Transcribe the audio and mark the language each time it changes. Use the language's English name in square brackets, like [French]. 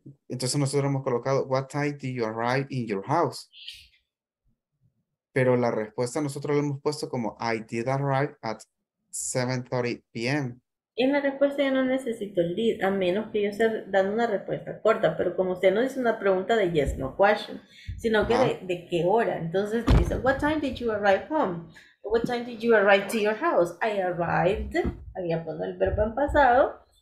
[Spanish] Entonces nosotros hemos colocado [English] what time did you arrive in your house, [Spanish] pero la respuesta nosotros la hemos puesto como [English] I did arrive at 7:30 p.m. [Spanish] En la respuesta ya no necesito el did, a menos que yo esté dando una respuesta corta, pero como usted no dice una pregunta de [English] yes, no question, [Spanish] sino que de qué hora. Entonces dice, [English] what time did you arrive home? What time did you arrive to your house? I arrived, [Spanish] había puesto el verbo en pasado,